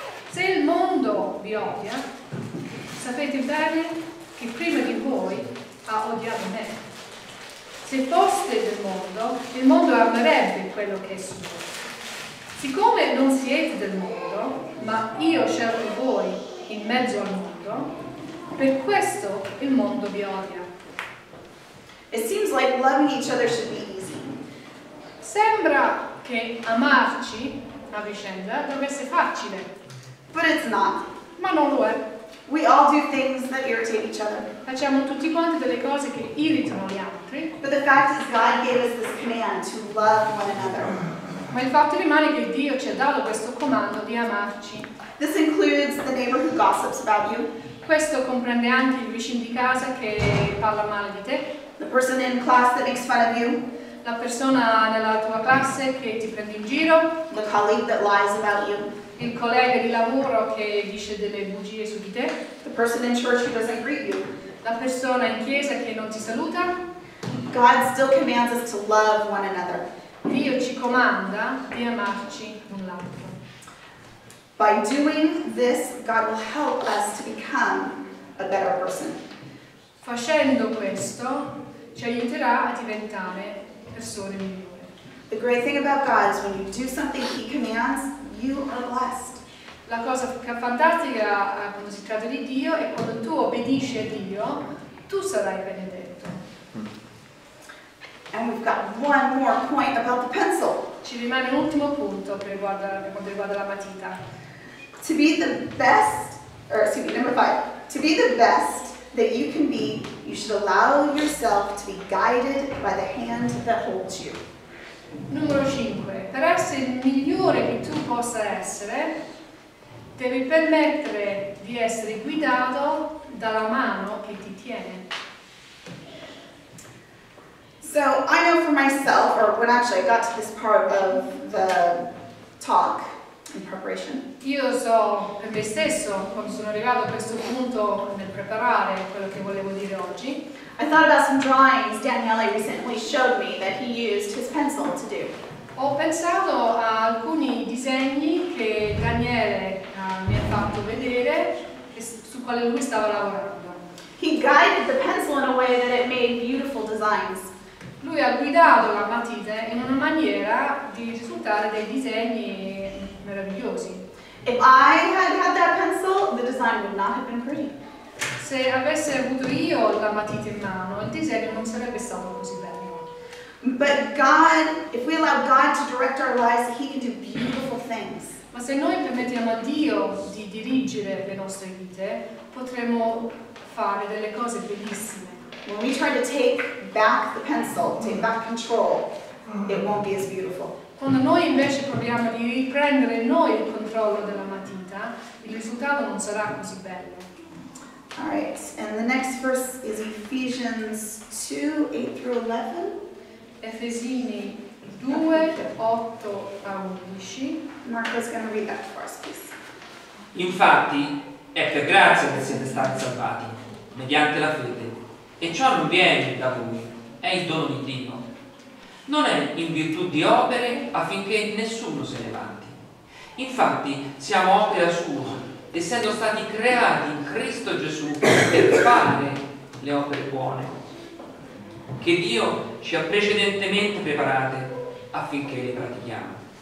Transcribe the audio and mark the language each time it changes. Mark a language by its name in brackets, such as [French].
[Italian] Se il mondo vi odia, sapete bene che prima di voi ha odiato me. Se foste del mondo, il mondo amerebbe quello che è suo. Siccome non siete del mondo, ma io scelgo voi in mezzo al mondo, per questo il mondo vi odia. [English] It seems like loving each other should be easy. [Italian] Sembra che amarci a vicenda dovesse facile. [English] But it's not. [Italian] Ma non lo è. [English] We all do things that irritate each other. [Italian] Facciamo tutti quanti delle cose che irritano gli altri. [English] But the fact is God gave us this command to love one another. [Italian] Ma il fatto rimane che Dio ci ha dato questo comando di amarci. [English] This includes the neighbor who gossips about you. [Italian] Questo comprende anche il vicino di casa che parla male di te. [English] The person in class that makes fun of you. [Italian] La persona nella tua classe che ti prende in giro. [English] The colleague that lies about you. [Italian] Il collega di lavoro che dice delle bugie su di te. [English] The person in church who doesn't greet you. [Italian] La persona in chiesa che non ti saluta. [English] God still commands us to love one another. [Italian] Dio ci comanda di amarci l'un l'altro. [English] By doing this, God will help us to become a better person. [Italian] Facendo questo, ci aiuterà a diventare persone migliori. [English] The great thing about God is when you do something He commands, you are blessed. [Italian] La cosa fantastica quando si tratta di Dio è quando tu obbedisci a Dio, tu sarai benedetto. [English] And we've got one more point about the pencil. [Italian] Ci rimane un ultimo punto per quanto riguarda la matita. [English] To be the best, or excuse me, number five. To be the best that you can be, you should allow yourself to be guided by the hand that holds you. [Italian] Numero 5. Per essere il migliore che tu possa essere, devi permettere di essere guidato dalla mano che ti tiene. [English] So I know for myself, or when actually I got to this part of the talk, in preparation. [Italian] Io so per me stesso come sono arrivato a questo punto nel preparare quello che volevo dire oggi. [English] I thought about some drawings Daniele recently showed me that he used his pencil to do. [Italian] Ho pensato a alcuni disegni che Daniele mi ha fatto vedere e su quale lui stava lavorando. [English] He guided the pencil in a way that it made beautiful designs. [Italian] Lui ha guidato la matita in una maniera di risultare dei disegni meravigliosi. [English] If I had had that pencil, the design would not have been pretty. [Italian] Se avessi avuto io la matita in mano, il disegno non sarebbe stato così bello. [English] But God, if we allow God to direct our lives, He can do beautiful things. [Italian] Ma se noi permettiamo a Dio di dirigere le nostre vite, potremo fare delle cose bellissime. [English] When we try to take back the pencil, take back control, it won't be as beautiful. [Italian] Quando noi invece proviamo di riprendere noi il controllo della matita, il risultato non sarà così bello. [English] All right, and the next verse is Ephesians 2, 8 through 11. [Italian] Efesini 2, 8 a 11. [English] Marco is going to read that for us, please. [Italian] Infatti, è per grazia che siete stati salvati, mediante la fede, e ciò non viene da voi, è il dono di Dio. Non è in virtù di opere affinché nessuno se ne vanti. Infatti, siamo opera sua, essendo stati creati in Cristo Gesù per fare le opere buone che Dio ci ha precedentemente preparate affinché le pratichiamo.